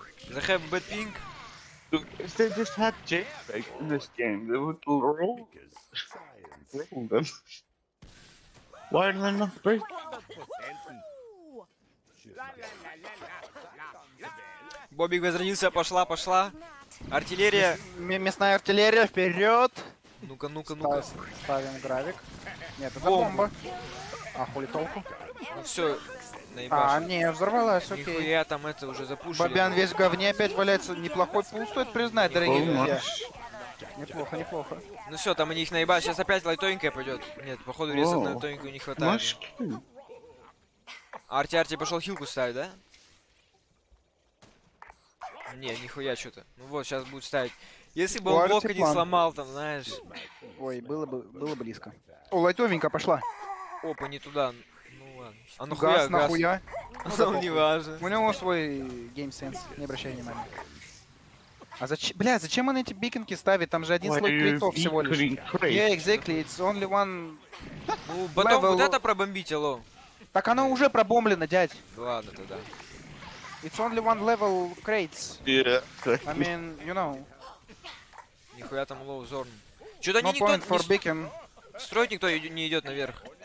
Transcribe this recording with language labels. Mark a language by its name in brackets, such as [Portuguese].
[English] They have bad ping. If they just had JPEG in this game, they would roll them. Why are they not breaking? [Russian] Бобик возродился, пошла, пошла. Артиллерия. Мясная артиллерия, вперед! Ну-ка, ну-ка, ну-ка. Ставим гравик. Нет, это бомба. А хули толку? Ну все, наебашь. А, не, взорвалась, окей. Нихуя там это уже запущено. Бобян весь в говне опять валяется. Неплохой пул, стоит признать, дорогие друзья. Неплохо, неплохо. Ну все, там они их наебали, сейчас опять лайтовенькая пойдет. Нет, походу реза на лайтовенькую не хватает. Арти, Арти пошел хилку ставить, да? Не, нихуя что-то. Ну вот, сейчас будет ставить. Если бы он блока не сломал, там, знаешь. Ой, было близко. О, лайтовенько пошла. Опа, не туда. Ну ладно. А ну хуя, газ. Нахуя? Ну не важно. У него свой геймсенс, не обращай внимания. А зачем, бля, зачем он эти бикинки ставит? Там же один слой критов всего лишь. [English] Yeah, exactly, it's only one... [Russian] Ну, потом вот это пробомбить, алло. Так оно уже пробомблено, дядь. Ладно, тогда. [English] It's only one level crates. Yeah. I mean, you know. [Russian] Нихуя там low zorn. Чё-то [English] no point for beacon. [Russian] Строить никто не идет наверх.